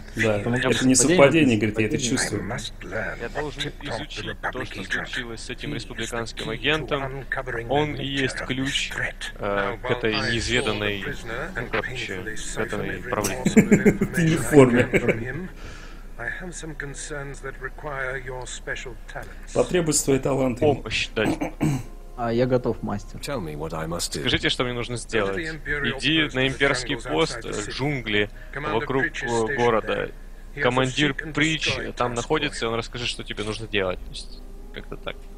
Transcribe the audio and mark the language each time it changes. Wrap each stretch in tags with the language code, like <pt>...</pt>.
<ru>Да, это не совпадение, говорит, я это чувствую. Я должен изучить то, что случилось с этим республиканским агентом. Он и есть ключ к этой неизведанной, ну, короче, к этой проблеме. Ты не в форме.</ru> <en>I have some concerns that require your special talents.</en> <ru>Потребуется твои таланты. Помощь дать. А я готов, мастер. Скажите, что мне нужно сделать. Иди на имперский пост в джунгли вокруг города. Командир Притч там находится, и он расскажет, что тебе нужно делать. То есть, как-то так.</ru>